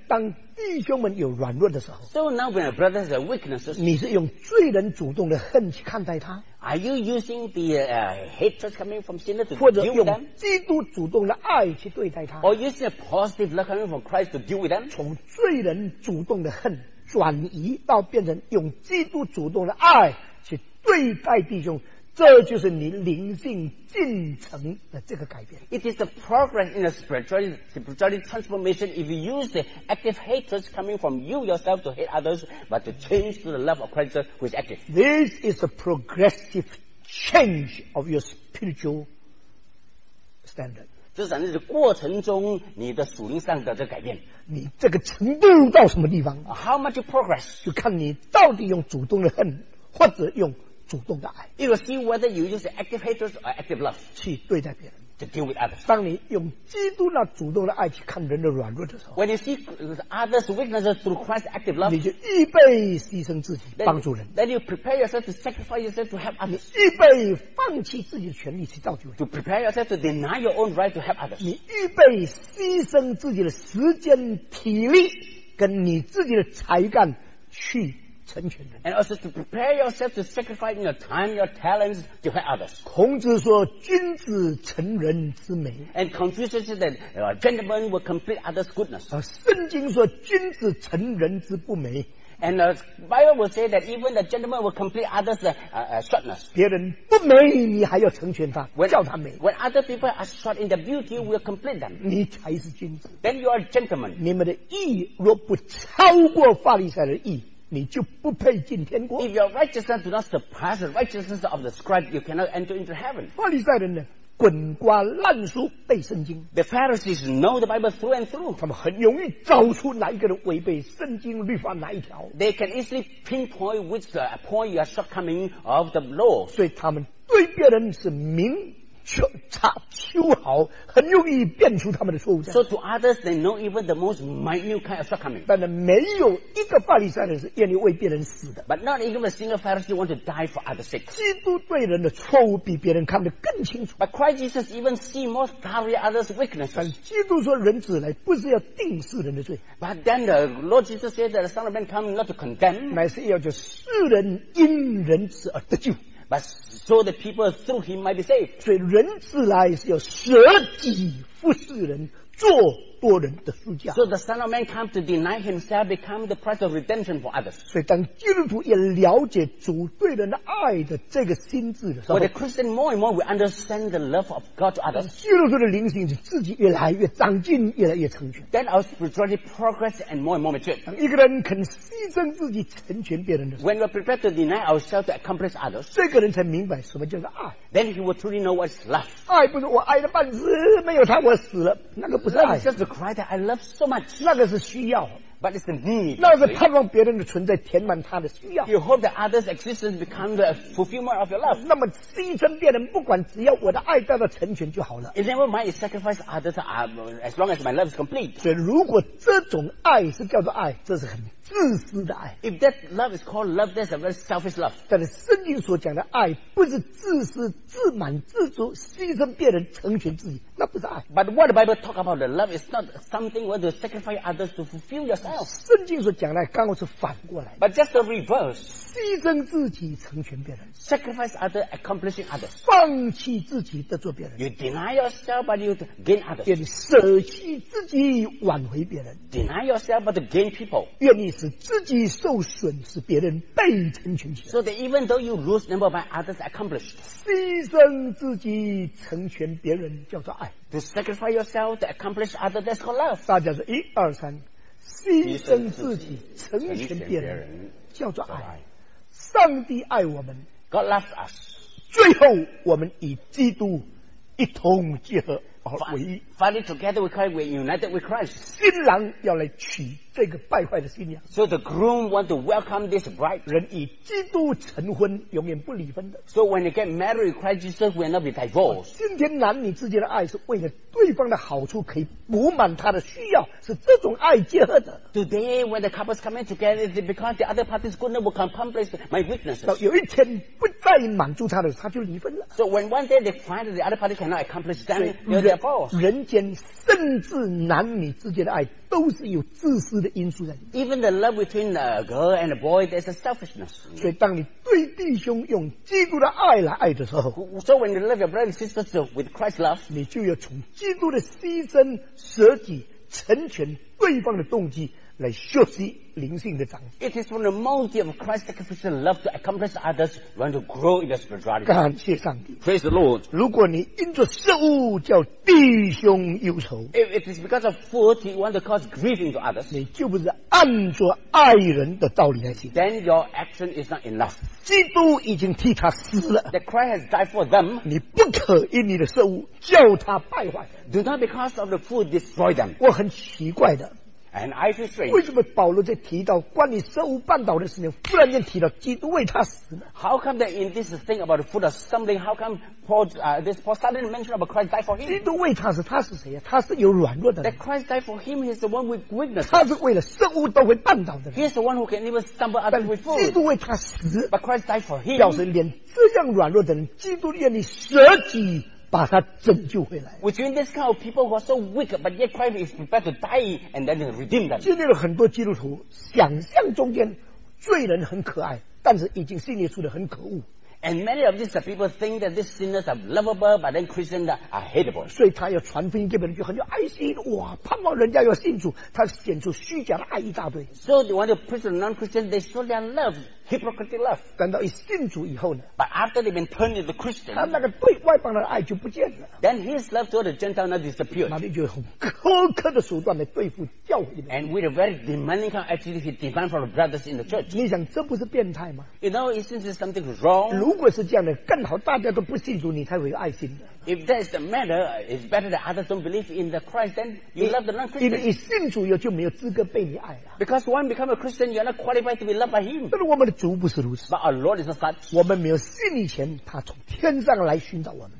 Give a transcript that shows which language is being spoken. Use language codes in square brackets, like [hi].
[zh] 当弟兄们有软弱的时候 [en] ，So now when brothers have weaknesses， [zh] 你是用罪人主动的恨去看待他。 [en] Are you using the hatred coming from sin to deal with them? [zh] 或者用基督主动的爱去对待他 [en] ？Or using a positive love coming from Christ to deal with them? [zh] 从罪人主动的恨转移到变成用基督主动的爱去对待弟兄，这就是你灵性进程的这个改变。 [en] It is the progress in a spiritual transformation if you use the active hatred coming from you yourself to hate others, but to change to the love of Christ who is active. This is a progressive change of your spiritual standard. [zh] 这是在过程中你的属灵上的这个改变。你这个程度到什么地方 [en] ？How much progress？ [zh] 就看你到底用主动的恨，或者用。主动的爱 [en] ，You will see whether you use active hatred or active love [zh] 去对待别人 [en] ，to deal with others。 [zh] 当你用基督那主动的爱去看人的软弱的时候 [en] ，When you see others' weaknesses through Christ's active love， [zh] 你就预备牺牲自己帮助人。 [en] Then you prepare yourself to sacrifice yourself to help others。 [zh] 你预备放弃自己的权利去造就人。 [en] To prepare yourself to deny your own right to help others。 [zh] 你预备牺牲自己的时间、体力跟你自己的才干去。 [en] And also to prepare yourself to sacrifice your time, your talents to help others. [zh] 孔子说君子成人之美 [en] And Confucius said that a gentleman will complete others' goodness. [zh] 圣经说君子成人之不美 [en] And the Bible will say that even the gentleman will complete others' shortness. [zh] 别人不美你还要成全他 叫他美 [en] When other people are short in their beauty, we'll complete them. [zh] 你才是君子 [en] Then you are a gentleman. [zh] 你们的义若不超过法利赛的义你就不配进天国。 [en] If your righteousness do not surpass the righteousness of the scribe, you cannot enter into heaven. [zh] 法利赛人呢，滚瓜烂熟背圣经。 [en] The Pharisees know the Bible through and through. [zh] 他们很容易找出哪一个人违背圣经律法哪一条。 [en] They can easily pinpoint which point you are shortcoming of the law. [zh] 所以他们对别人是明秋毫，很容易辨出他们的错误。 [en] So to others, they know even the most minute kind of shortcoming. [zh] 但是没有一个法利赛人是愿意为别人死的。 [en] But not even a single Pharisee want to die for others' sake. [zh] 基督对人的错误比别人看得更清楚。 [en] But Christ Jesus even see more thoroughly others' weaknesses. [zh] 但基督说人子来不是要定世人的罪。 [en] But then the Lord Jesus said that the Son of Man come not to condemn. [zh] 乃是要叫世人因人子而得救。 [en] But so the people through him might be saved. [zh] 所以人子来是要舍己服侍人，做多人的赎价。 [en] So the Son of Man came to deny himself, become the price of redemption for others. [zh] 所以当基督徒也了解主对人的爱的这个心智的时候 [en] ，When the Christian more and more we understand the love of God to others. [zh] 基督徒的灵性是自己越来越长进，越来越成全。 [en] Then our spirituality progress and more and more mature. [zh] 当一个人肯牺牲自己成全别人的时候 [en] ，When we're prepared to deny ourselves to accomplish others. [zh] 这个人才明白什么叫做爱。 [en] Then he will truly know what's love. [zh] 爱不是我爱了半死，没有他我死了，那个不是爱。 [en] Cry that I love so much. [zh] 那个是需要 [en] but it's the need. [zh] 那个是盼望别人的存在填满他的需要 [en] You hope that others' existence become the fulfillment of your love. [zh] 那么牺牲别人不管只要我的爱得到成全就好了 [en] It never mind if sacrifice others as long as my love is complete. [zh] 所以如果这种爱是叫做爱这是很自私的爱 [en] If that love is called love that's a very selfish love. [zh] 但是圣经所讲的爱不是自私自满自足牺牲别人成全自己那不是爱 [en] But what the Bible talk about the love is not something where to sacrifice others to fulfill yourself. [zh] 圣经所讲的刚好是反过来 [en] But just the reverse. [zh] 牺牲自己成全别人 [en] Sacrifice others accomplishing others. [zh] 放弃自己得做别人 [en] You deny yourself but you gain others. [zh] 愿舍弃自己挽回别人 [en] Deny yourself but gain people. [zh] 愿你使自己受损使别人被成全起来 [en] So that even though you lose number by others accomplished. [zh] 牺牲自己成全别人叫做爱 [en] To sacrifice yourself to accomplish others, that's called love. [zh] 大家说一二三，牺牲自己，成全别人，叫做爱。上帝爱我们 [en] ，God loves us. [zh] 最后，我们与基督一同结合而为一。 [en] Finally, together with Christ, we're united with Christ. [zh] 新郎要来娶这个败坏的新娘。 [en] So the groom wants to welcome this bride. [zh] 人与基督成婚，永远不离婚的。 [en] So when they get married with Christ Jesus, we will not be divorced. [zh] 今天男女之间的爱是为了对方的好处，可以补满他的需要，是这种爱结合的。 [en] Today, when the couples coming together, it's because the other party's goodness will accomplish my weaknesses. [zh] 有一天不再满足他的，他就离婚了。 [en] So when one day they find that the other party cannot accomplish them, they're divorced. [zh] 人间甚至男女之间的爱都是有自私的因素在。 [en] Even the love between a girl and a boy, there's a selfishness. [zh] 所以当你对弟兄用基督的爱来爱的时候 [en] ，So when you love your brothers and sisters with Christ's love, [zh] 你就要从基督的牺牲、舍己、成全对方的动机来学习灵性的长进。 [en] It is from the motive of Christ's sacrificial love to accomplish others, want to grow in the spirituality. [zh] 感谢上帝 [en] ，Praise the Lord. [zh] 如果你因着食物叫弟兄忧愁 [en] ，If it is because of food you want to cause grieving to others, [zh] 你就不是按着爱人的道理来行。 [en] Then your action is not enough. [zh] 基督已经替他死了 [en] ，That Christ has died for them. [zh] 你不可因你的食物叫他败坏 [en] ，Do not because of the food destroy them. [zh] 我很奇怪的。 [en] And I feel strange. [zh] 为什么保罗在提到关于食物绊倒的事情，忽然间提到基督为他死呢 [en] ？How come that in this thing about the food or something, how come Paul suddenly mention about Christ died for him? [zh] 基督为他死，他是谁呀？他是有软弱的。 [en] That Christ died for him, he's the one with weakness. [zh] 他是为了食物都会绊倒的人。 [en] He's the one who can even stumble others with food. [zh] 基督为他死 [en] ，But Christ died for him. [zh] 要是连这样软弱的人，基督愿意舍己。把他拯救回来。 [en] Which means this kind of people who are so weak, but yet Christ is prepared to die and then redeem them. [zh] 今天有很多基督徒想象中间罪人很可爱，但是已经心里处得很可恶。 [en] And many of these people think that these sinners are lovable, but then Christians are hateable. [zh] 所以他要传福音给别人，就很有爱心哇，盼望人家要信主，他显出虚假的爱一大堆。 [en] So they want to preach to non-Christians, they show their love, hypocritical love. [zh] 等到一信主以后呢 [en] ？But after they've been turned into Christians, [zh] 他那个对外邦的爱就不见了。 [en] Then his love toward the Gentiles now disappeared. [zh] 那里就用苛刻的手段来对付教会的。 [en] And with a very demanding kind of attitude, he demands from the brothers in the church. [zh] 你想这不是变态吗 [en] ？You know, it seems there's something wrong. [zh] 如果是这样的，更好，大家都不信主，你才会有爱心。 [en] If that is the matter, it's better that others don't believe in the Christ, then you love the non-Christian. [zh] 你信主，就没有资格被你爱了。 [en] Because one become a Christian, you are not qualified to be loved by him. [zh] 但是我们的主不是如此。 [en] But our Lord is not such. [zh] 我们没有信以前，他从天上来寻找我们。